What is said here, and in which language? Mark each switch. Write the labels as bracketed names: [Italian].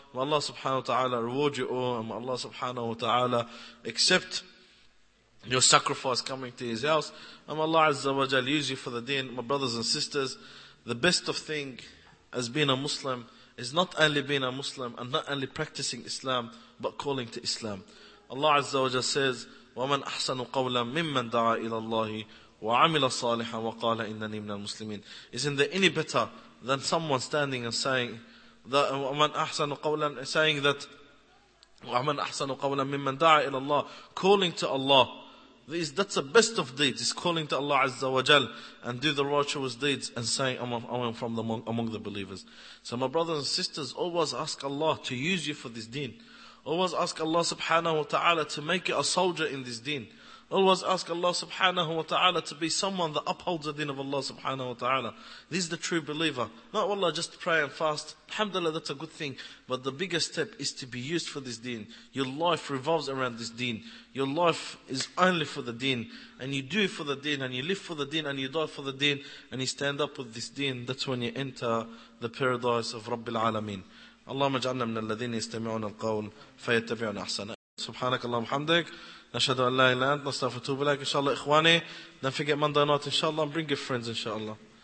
[English] May Allah subhanahu wa ta'ala reward you all, and may Allah subhanahu wa ta'ala accept your sacrifice coming to His house. And may Allah azza wa jal use you for the deen. My brothers and sisters, the best of thing as being a Muslim is not only being a Muslim and not only practicing Islam, but calling to Islam. [Arabic] Allah azza wa jal says, وَمَنْ أَحْسَنُ قَوْلًا مِمَّنْ دَعَى إِلَى اللَّهِ وَعَمِلَ صَالِحًا وَقَالَ إِنَّنِي مِنَ الْمُسْلِمِينَ. [English] Isn't there any better than someone standing and saying that, [Arabic] وَمَنْ أَحْسَنُ قَوْلًا, [English] saying that, [Arabic] وَمَنْ أَحْسَنُ قَوْلًا مِمَّنْ دَعَى إِلَى اللَّهِ, [English] calling to Allah. That's the best of deeds, is calling to Allah Azza wa Jal and do the righteous deeds and saying, I'm from among the believers. So my brothers and sisters, always ask Allah to use you for this deen. Always ask Allah subhanahu wa ta'ala to make you a soldier in this deen. Always ask Allah subhanahu wa ta'ala to be someone that upholds the deen of Allah subhanahu wa ta'ala. This is the true believer. Not wallah, just pray and fast. Alhamdulillah, that's a good thing. But the biggest step is to be used for this deen. Your life revolves around this deen. Your life is only for the deen. And you do for the deen, and you live for the deen, and you die for the deen, and you stand up with this deen. That's when you enter the paradise of Rabbil Alameen. [Arabic] اللهم اجعلنا من الذين يستمعون القول فيتبعون احسنه سبحانك اللهم وبحمدك نشهد ان لا اله الا انت نستغفرك ونتوب اليك ان شاء الله اخواني [English] don't forget Monday night inshallah bring your friends inshallah